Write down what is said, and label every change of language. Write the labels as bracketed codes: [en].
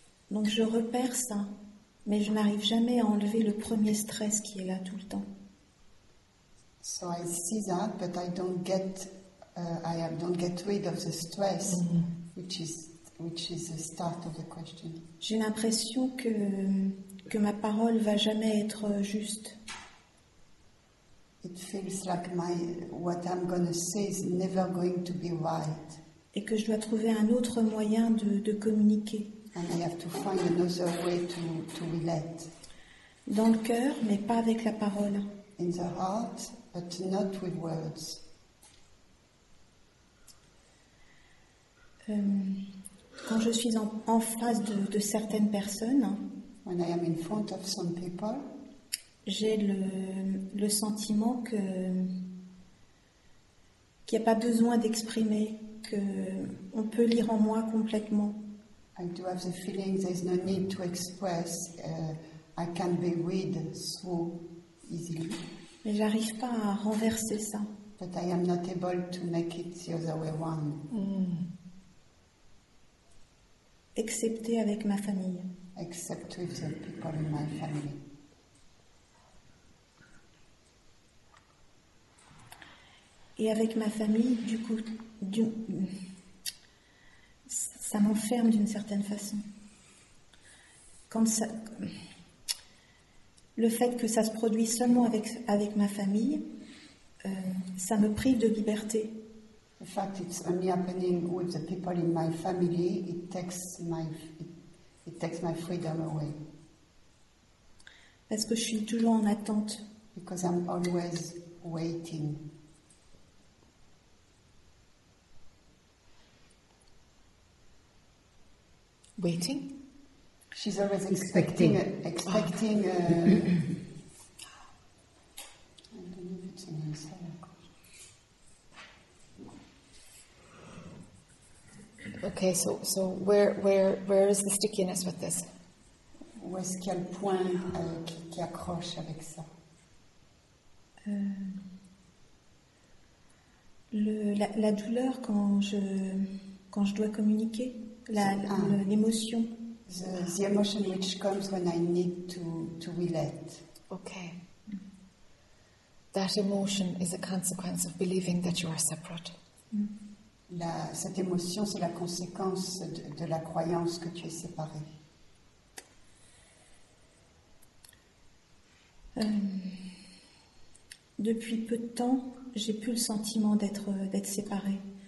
[fr] Donc je repère ça, mais je n'arrive jamais à enlever le premier stress qui est là tout le temps. [en] So I see that, but I don't get, I don't get rid of the stress, mm-hmm. which is the start of the question. [fr] J'ai l'impression que ma parole va jamais être juste. [en] It feels like my what I'm going to say is never going to be right. [fr] Et que je dois trouver un autre moyen de communiquer. [en] And I have to find another way to relate. [fr] Dans le cœur, mais pas avec la parole. [en] In the heart, but not with words. [fr] Quand je suis en face de certaines personnes, [en] when I am in front of some people, [fr] j'ai le sentiment qu'il n'y a pas besoin d'exprimer, qu'on peut lire en moi complètement. [en] I do have the feeling there's no need to express. I can be read so easily. [fr] Mais j'arrive pas à renverser ça. [en] But I am not able to make it the other way around. [fr] Excepté avec ma famille. [en] Except with the people in my family. [fr] Et avec ma famille, du coup, ça m'enferme d'une certaine façon. Quand ça, le fait que ça se produise seulement avec ma famille, ça me prive de liberté. [en] The fact it's only happening with the people in my family, it takes my freedom away. [fr] Parce que je suis toujours en attente. [en] Because I'm always waiting. Waiting? She's always expecting. I don't know if it's an answer. Okay, so where is the stickiness with this? [fr] Où est-ce qu'il y a le point qui accroche avec ça? La douleur quand je dois communiquer. L'émotion. [en] The emotion which comes when I need to relate. Okay. That emotion is a consequence of believing that you are separate. [fr] Cette émotion, c'est la conséquence de la croyance que tu es séparée. Depuis peu de temps, j'ai plus le sentiment d'être séparée.